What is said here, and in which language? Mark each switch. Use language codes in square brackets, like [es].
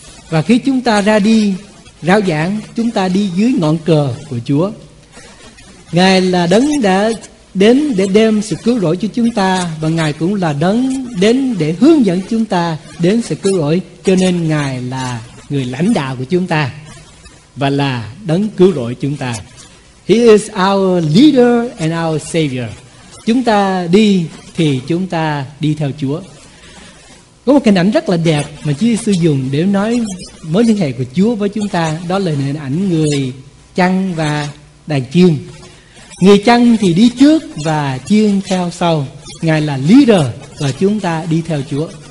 [vi] Và khi chúng ta ra đi rao giảng, chúng ta đi dưới ngọn cờ của Chúa. Ngài là đấng đã đến để đem sự cứu rỗi cho chúng ta, và Ngài cũng là đấng đến để hướng dẫn chúng ta đến sự cứu rỗi, cho nên Ngài là người lãnh đạo của chúng ta và là đấng cứu rỗi chúng ta. [en] He is our leader and our savior. [vi] Chúng ta đi thì chúng ta đi theo Chúa. Có một hình ảnh rất là đẹp mà Chúa Giêsu dùng để nói mối liên hệ của Chúa với chúng ta, đó là hình ảnh người chăn và đàn chiên. Người chăn thì đi trước và chiên theo sau. Ngài là leader và chúng ta đi theo Chúa.